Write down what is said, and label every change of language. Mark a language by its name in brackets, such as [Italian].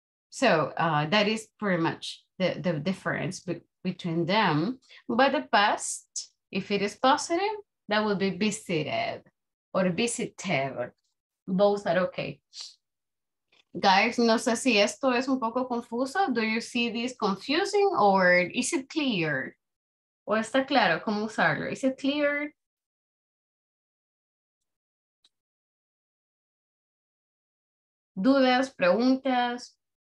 [English] So, that is pretty much the difference between them. But the past, if it is positive, that would be visited or visited. Both are okay. [Spanish] Guys, no sé si esto es un poco confuso. [English] Do you see this confusing or is it clear? [Spanish] ¿O está claro cómo usarlo? [English] Is it clear? [Spanish] dudas, preguntas?